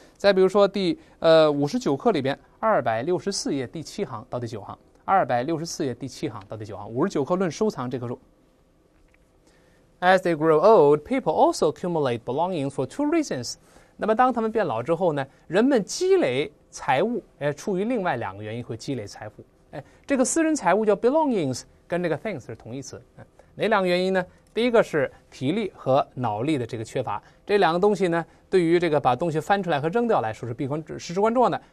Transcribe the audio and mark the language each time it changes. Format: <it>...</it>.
<zh>再比如说第59课里边264页第7行到第9行，264页第7行到第9行，59课论收藏这棵树。</zh> <en>As they grow old, people also accumulate belongings for two reasons.</en> <zh>那么当他们变老之后呢，人们积累财物，出于另外两个原因会积累财富。这个私人财物叫 belongings， 跟这个 things 是同义词。哪两个原因呢？第一个是体力和脑力的这个缺乏，这两个东西呢对于这个把东西翻出来和扔掉来说是至关重要的。</zh>